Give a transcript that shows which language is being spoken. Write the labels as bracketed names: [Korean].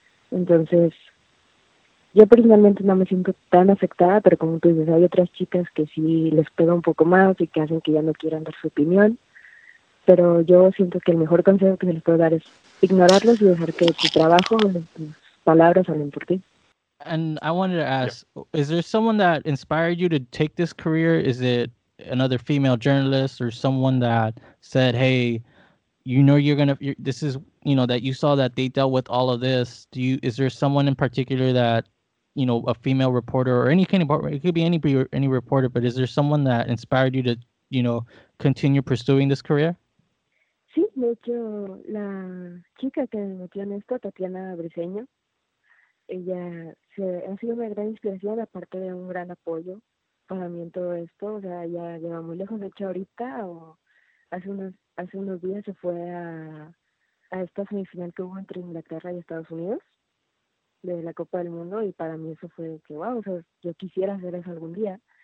[Spanish] Entonces, yo personalmente no me siento tan afectada, pero como tú dices, hay otras chicas que sí les pega un poco más y que hacen que ya no quieran dar su opinión. Pero yo siento que el mejor consejo que se les puedo dar es ignorarlos y dejar que tu trabajo o tus palabras hablen por ti. [English] And I wanted to ask, is there someone that inspired you to take this career? Is it another female journalist or someone that said, hey, you know, that you saw that they dealt with all of this. Is there someone in particular that, you know, a female reporter or any kind of, it could be any reporter, but is there someone that inspired you to, you know, continue pursuing this career? [Spanish] Sí, de hecho, la chica que me metió en esto, Tatiana Briseño, ella ha sido una gran inspiración, aparte de un gran apoyo para mí en todo esto. O sea, ella lleva muy lejos, de hecho, ahorita o hace unos días se fue a esta semifinal que hubo entre Inglaterra y Estados Unidos de la Copa del Mundo, y para mí eso fue que wow, o sea, yo quisiera hacer eso algún día.